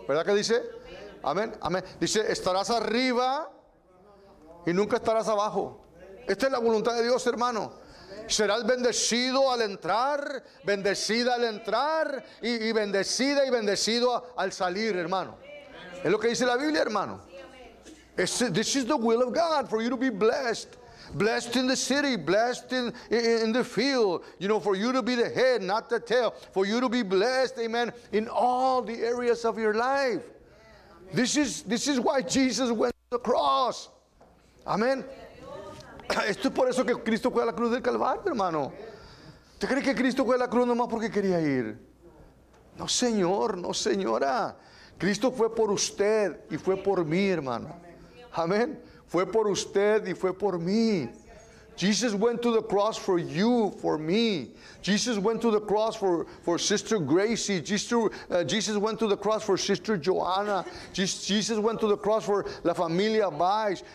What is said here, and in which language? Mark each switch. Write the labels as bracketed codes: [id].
[es] ¿Verdad que dice? Amén. Amén. Dice, estarás arriba y nunca estarás abajo. Esta es la voluntad de Dios, hermano. Serás bendecido al entrar, bendecida al entrar y bendecida y bendecido al salir, hermano. Es lo que dice la Biblia, hermano. [en] This is the will of God for you to be blessed. Blessed in the city, blessed in the field. You know, for you to be the head, not the tail. For you to be blessed, amen, in all the areas of your life. This is why Jesus went to the cross. [es] Amén. Esto es por eso que Cristo fue a la cruz del Calvario, hermano. ¿Usted cree que Cristo fue a la cruz nomás porque quería ir? No, señor, no, señora. Cristo fue por usted y fue por mí, hermano. Amén. Fue por usted y fue por mí. [en] Jesus went to the cross for you, for me. Jesus went to the cross for Sister Gracie. Jesus went to the cross for Sister Joanna. Jesus went to the cross for La Familia Vice.